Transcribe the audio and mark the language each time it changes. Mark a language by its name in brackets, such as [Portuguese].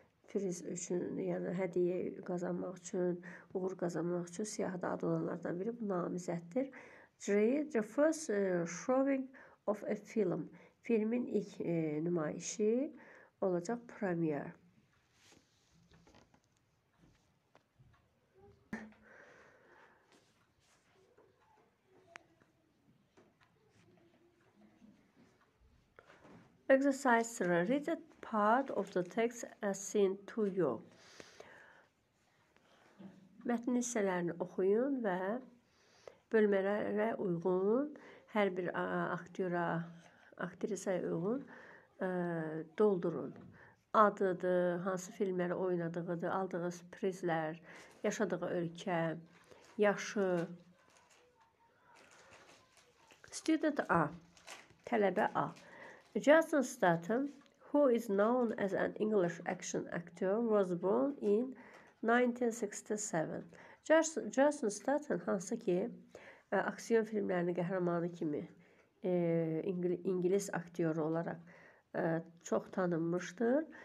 [Azerbaijani] Priz üçün, yəni hədiyə qazanmaq üçün, uğur qazanmaq üçün siyahıda adı olanlardan biri bu namizəddir. [English] The first showing of a film. [Azerbaijani] Filmin ilk nümayişi olacaq premier. [English] Exercise 3. Read the part of the text as seen to you. [Azerbaijani] Mətn hissələrini oxuyun və bölmələrə uyğun hər bir aktyora, aktrisaya uygun doldurun. Adıdır, hansı filmləri oynadığıdır, aldığı sürprizlər, yaşadığı ölkə, yaşı. [English] Student A, [Azerbaijani] tələbə A. [English] Jason Statham, who is known as an English action actor, was born in 1967. [Azerbaijani] Jason Statham, hansı ki, aksiyon filmlərinin qəhrəmanı kimi, İngiliz aktyoru olaraq çox tanınmışdır.